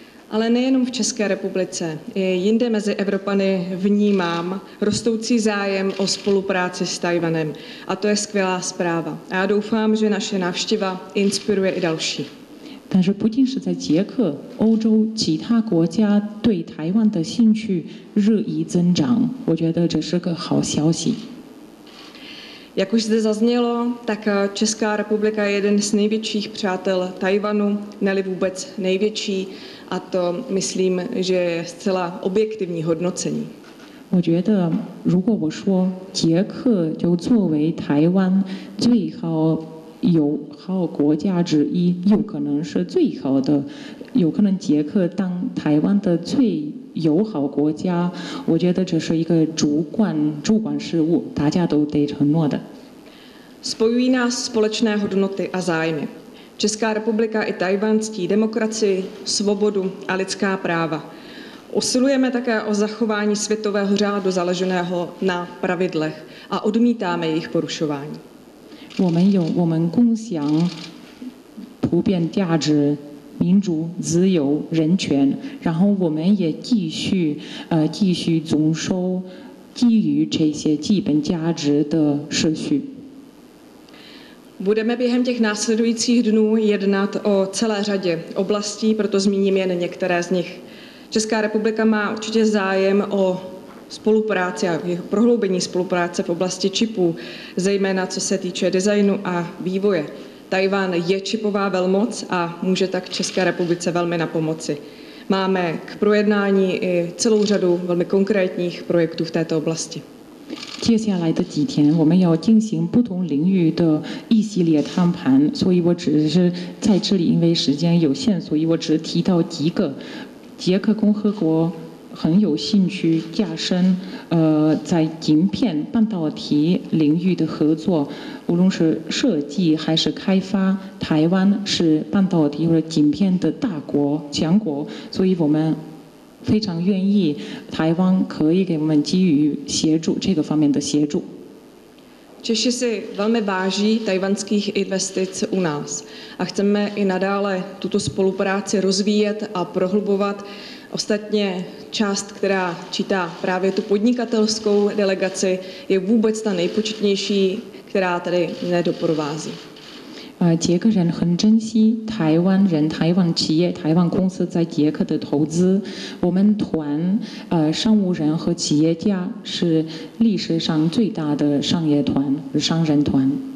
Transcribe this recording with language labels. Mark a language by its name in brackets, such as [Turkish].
[Czech] Ale nejenom v České republice, i jinde mezi Evropany vnímám rostoucí zájem o spolupráci s Tajvanem, a to je skvělá zpráva. A já doufám, že naše návštěva inspiruje i další. [Chinese] 但是不仅是在捷克，欧洲其他国家对台湾的兴趣日益增长，我觉得这是个好消息。 [Czech] Jak už zde zaznělo, tak Česká republika je jeden z největších přátel Tajvanu, ne-li vůbec největší, a to myslím, že je zcela objektivní hodnocení. [Chinese] 我觉得，如果我说捷克就作为台湾最好友好国家之一，有可能是最好的，有可能捷克当台湾的最友好国家，我觉得这是一个主观事物，大家都得承诺的。 [Czech] Spojují nás společné hodnoty a zájmy. Česká republika i Tajvan ctí demokracii, svobodu a lidská práva. Usilujeme také o zachování světového řádu založeného na pravidlech a odmítáme jejich porušování. [Chinese] 我们有我们共享普遍价值民主自由人权，然后我们也继续遵守基于这些基本价值的秩序。 [Czech] Budeme během těch následujících dnů jednat o celé řadě oblastí, proto zmíním jen některé z nich. Česká republika má určitě zájem o spolupráci a prohloubení spolupráce v oblasti čipů, zejména co se týče designu a vývoje. Tajvan je čipová velmoc a může tak České republice velmi napomoci. Máme k projednání i celou řadu velmi konkrétních projektů v této oblasti. [Chinese] 接下来的几天，我们要进行不同领域的一系列谈判，所以我只是在这里，因为时间有限，所以我只提到几个。捷克共和国很有兴趣加深在晶片半导体领域的合作，无论是设计还是开发，台湾是半导体或者晶片的大国强国，所以我们非常愿意台湾可以给我们给予协助这个方面的协助。 [Czech] Češi si velmi váží tajvanských investic u nás a chceme i nadále tuto spolupráci rozvíjet a prohlubovat. Ostatně část, která čítá právě tu podnikatelskou delegaci, je vůbec ta nejpočetnější, která tady mě doprovází. [Chinese] 捷克人很珍惜台湾人、台湾企业、台湾公司在捷克的投资。我们团商务人和企业家是历史上最大的商业团、商人团。